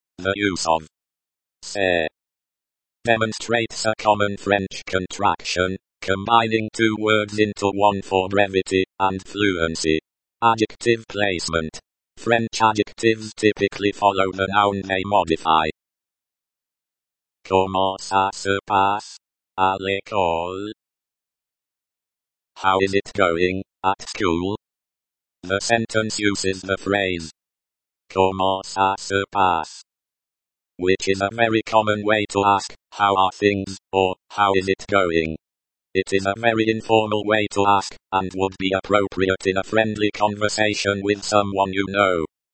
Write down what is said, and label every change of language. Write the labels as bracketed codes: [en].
[en] The use of c'est demonstrates a common French contraction, combining two words into one for brevity and fluency. Adjective placement. French adjectives typically follow the noun they modify. [fr] Comment ça se passe à l'école? [en] How is it going at school? The sentence uses the phrase [fr] comment ça se passe, [en] which is a very common way to ask how are things or how is it going. It is a very informal way to ask and would be appropriate in a friendly conversation with someone you know.